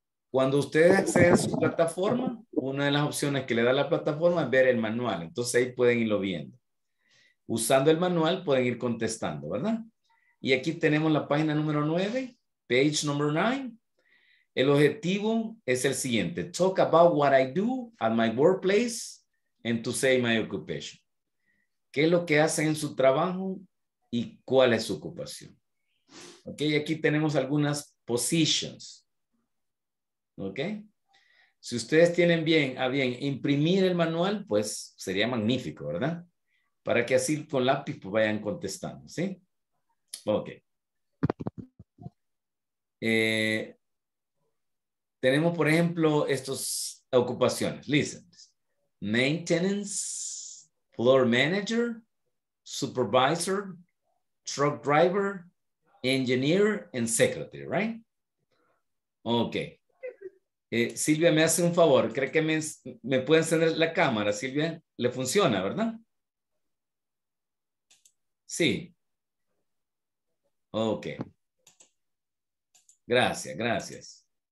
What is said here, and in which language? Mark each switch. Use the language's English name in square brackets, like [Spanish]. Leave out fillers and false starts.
[Spanish] Cuando ustedes acceden a su plataforma, una de las opciones que le da la plataforma es ver el manual. Entonces ahí pueden irlo viendo. Usando el manual pueden ir contestando, ¿verdad? Y aquí tenemos la página número 9, [English] page number 9. [Spanish] El objetivo es el siguiente. [English] Talk about what I do at my workplace and to say my occupation. [Spanish] ¿Qué es lo que hacen en su trabajo y cuál es su ocupación? Ok, aquí tenemos algunas positions. Ok. Si ustedes tienen bien imprimir el manual, pues sería magnífico, ¿verdad? Para que así con lápiz pues vayan contestando, ¿sí? Ok. Tenemos, por ejemplo, estas ocupaciones. Listen. [English] Maintenance, floor manager, supervisor, truck driver, engineer, and secretary, right? [Spanish] Ok. Silvia, me hace un favor. ¿Cree que me puede encender la cámara, Silvia? ¿Le funciona, verdad? Sí. Ok. Gracias.